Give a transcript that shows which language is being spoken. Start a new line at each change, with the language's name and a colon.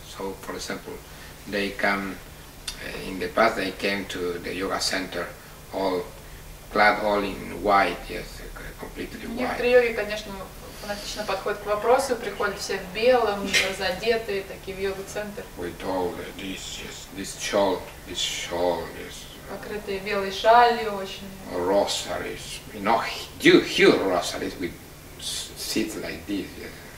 English: So, for example, they come. In the past, they came to the yoga center, all clad all in white, yes, completely white.
Russian: Некоторые йоги, конечно, фанатично подходят к вопросу, приходят все в белом, разодетые, такие в йога-центр.
English: With all this, yes, this shawl, yes.
Russian: Покрытые белой шалью, очень.
English: Rosaries, you know, do you hear rosaries with seats like this, yes.